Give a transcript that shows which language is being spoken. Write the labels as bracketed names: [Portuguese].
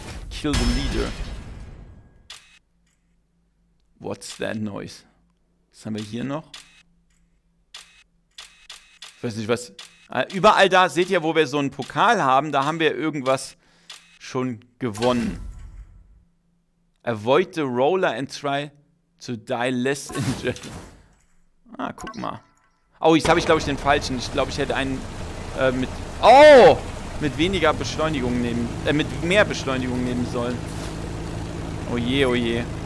[English] Kill the leader. What's that noise? [German] Was haben wir hier noch? Ich weiß nicht, was... Überall da, seht ihr, wo wir so einen Pokal haben, da haben wir irgendwas schon gewonnen. [English] Avoid the roller and try to die less injured. [German] Ah, guck mal. Oh, jetzt habe ich, glaube ich, den falschen. Ich glaube, ich hätte einen mit... Oh! Mit weniger Beschleunigung nehmen... mit mehr Beschleunigung nehmen sollen. Oh je, oh je.